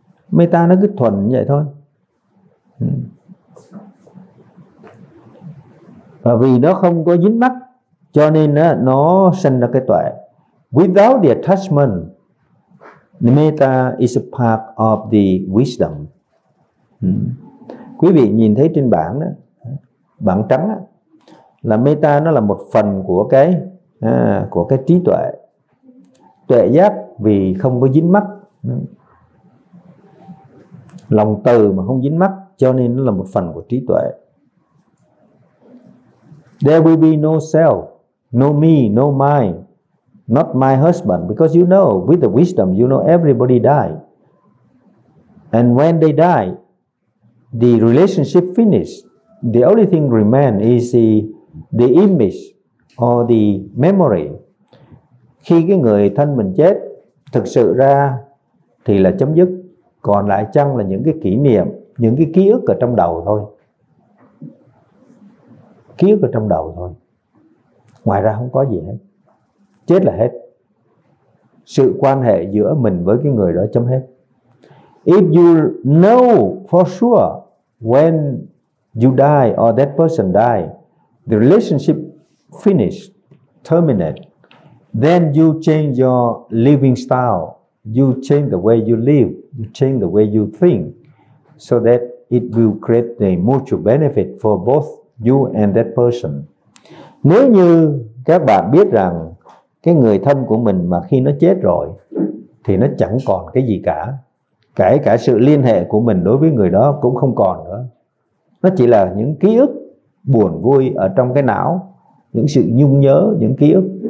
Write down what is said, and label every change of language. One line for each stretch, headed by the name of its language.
Vietnamese: Metta nó cứ thuần như vậy thôi. Và vì nó không có dính mắc, cho nên nó sinh ra cái tuệ.
English: Without the attachment, the metta is a part of the wisdom.
Vietnamese: Quý vị nhìn thấy trên bảng đó, bảng trắng đó, là metta nó là một phần của cái trí tuệ. Tuệ giác vì không có dính mắc. lòng từ mà không dính mắc, cho nên nó là một phần của trí tuệ.
English: There will be no self, no me, no mine, not my husband, because you know, with the wisdom, you know everybody die. And when they die, the relationship finished. The only thing remain is the image or the memory.
Vietnamese: Khi cái người thân mình chết, thực sự ra thì là chấm dứt. Còn lại chăng là những cái kỷ niệm, những cái ký ức ở trong đầu thôi. Ký ức ở trong đầu thôi. Ngoài ra không có gì hết. Chết là hết. Sự quan hệ giữa mình với cái người đó chấm hết.
English: If you know for sure when you die or that person die, the relationship finished, terminate, then you change your living style. You change the way you live. You change the way you think. So that it will create a mutual benefit for both you and that person.
Vietnamese: Nếu như các bạn biết rằng cái người thân của mình mà khi nó chết rồi thì nó chẳng còn cái gì cả, kể cả sự liên hệ của mình đối với người đó cũng không còn nữa. Nó chỉ là những ký ức buồn vui ở trong cái não, những sự nhung nhớ, những ký ức.